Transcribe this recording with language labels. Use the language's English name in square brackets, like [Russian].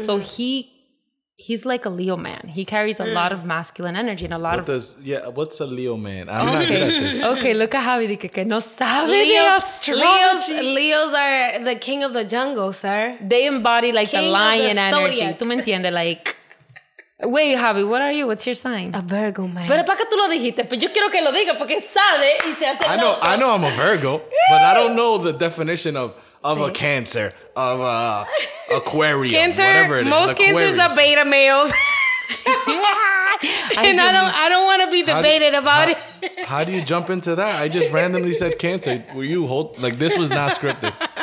[English] Mm-hmm. So he's like a Leo man. He carries a lot of masculine energy and a lot what of... What's a Leo man? I'm not good at this. Okay, look at Javi. [Spanish] Que no sabe Leos, [English] Leos are the king of the jungle, sir. They embody like king the lion the energy. [Spanish] Tú me entiendes? [English] Like, wait, Javi, what are you? What's your sign? A Virgo man. [Spanish] Pero para que tú lo dijiste, pero yo quiero que lo diga porque sabe y se hace loco. [English] I know I'm a Virgo, but I don't know the definition of a Cancer, of a Aquarius, cancer, whatever it is. Most cancers are beta males. And I don't want to be debated about it. How do you jump into that? I just randomly said Cancer. Were you hold like this was not scripted.